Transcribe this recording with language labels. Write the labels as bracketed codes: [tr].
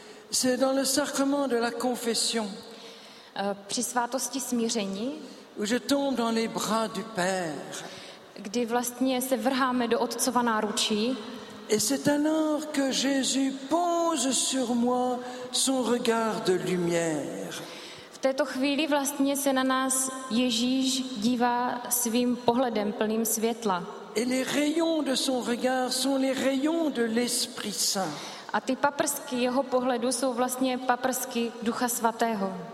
[fr] C'est dans le sacrement de la confession. [cs] Při svátosti smíření. [fr] Où je tombe dans les bras du Père. [cs] Kdy vlastně se vrháme do Otcova náručí. [fr] Et c'est alors que Jésus pose sur moi son regard de lumière. [cs] V této chvíli vlastně se na nás Ježíš dívá svým pohledem plným světla. [fr] Et les rayons de son regard sont les rayons de l'Esprit Saint. [cs] A ty paprsky jeho pohledu jsou vlastně paprsky Ducha Svatého.